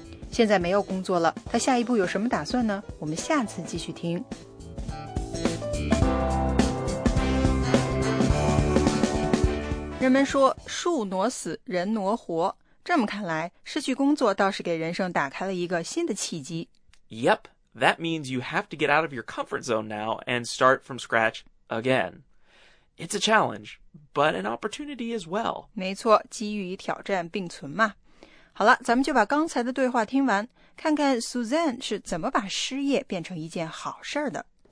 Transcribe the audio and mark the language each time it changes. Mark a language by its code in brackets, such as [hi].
[zh] 现在没有工作了，他下一步有什么打算呢？我们下次继续听。人们说，树挪死，人挪活。这么看来，失去工作倒是给人生打开了一个新的契机。 [en] Yep, that means you have to get out of your comfort zone now and start from scratch again. It's a challenge, but an opportunity as well. [zh] 没错，机遇与挑战并存嘛。好了，咱们就把刚才的对话听完，看看 Suzanne 是怎么把失业变成一件好事的。